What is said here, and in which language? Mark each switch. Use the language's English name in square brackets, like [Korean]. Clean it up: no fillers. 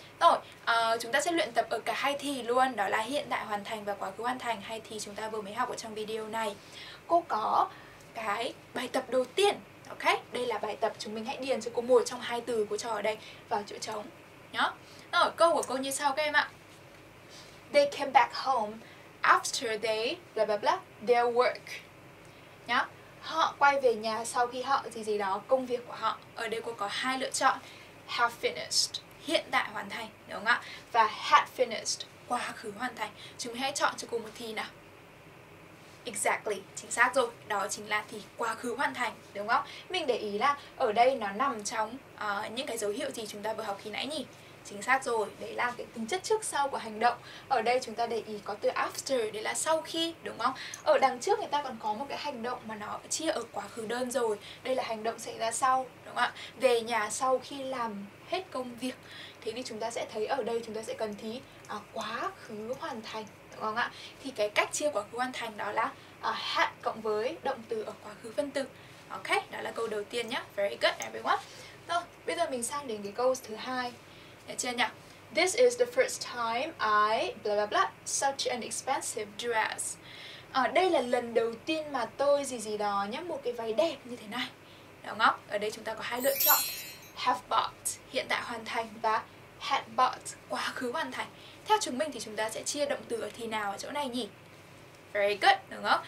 [Vietnamese] Rồi, chúng ta sẽ luyện tập ở cả hai thì luôn, đó là hiện tại hoàn thành và quá khứ hoàn thành, hai thì chúng ta vừa mới học ở trong video này. Cô có cái bài tập đầu tiên, ok? Đây là bài tập, chúng mình hãy điền cho cô một trong hai từ cô cho ở đây vào chỗ trống nhá. Rồi, câu của cô như sau các em ạ. [English] They came back home after they blah blah blah their work. Nhá. [Vietnamese] họ quay về nhà sau khi họ gì gì đó công việc của họ. Ở đây cô có hai lựa chọn: have finished, hiện tại hoàn thành, đúng không ạ? Và had finished, quá khứ hoàn thành. Chúng mình hãy chọn cho cô một thì nào. Exactly, chính xác rồi. Đó chính là thì quá khứ hoàn thành, đúng không? Mình để ý là ở đây nó nằm trong những cái dấu hiệu gì chúng ta vừa học khi nãy nhỉ? Chính xác rồi, đấy là cái tính chất trước sau của hành động. Ở đây chúng ta để ý có từ after, đấy là sau khi, đúng không? Ở đằng trước người ta còn có một cái hành động mà nó chia ở quá khứ đơn rồi. Đây là hành động xảy ra sau, đúng không ạ? Về nhà sau khi làm hết công việc. Thế thì chúng ta sẽ thấy ở đây chúng ta sẽ cần thì quá khứ hoàn thành, đúng không ạ? Thì cái cách chia quá khứ hoàn thành đó là had cộng với động từ ở quá khứ phân từ. Ok, đó là câu đầu tiên nhá. [English] Very good everyone. [Vietnamese] Rồi, bây giờ mình sang đến cái câu thứ hai. [English] This is the first time I blah blah blah such an expensive dress. [Vietnamese] Đây là lần đầu tiên mà tôi gì gì đó nhé, một cái váy đẹp như thế này. Đúng không? Ở đây chúng ta có hai lựa chọn: have bought, hiện tại hoàn thành, và had bought, quá khứ hoàn thành. Theo chúng mình thì chúng ta sẽ chia động từ ở thì nào ở chỗ này nhỉ? [English] Very good, [Vietnamese] đúng không?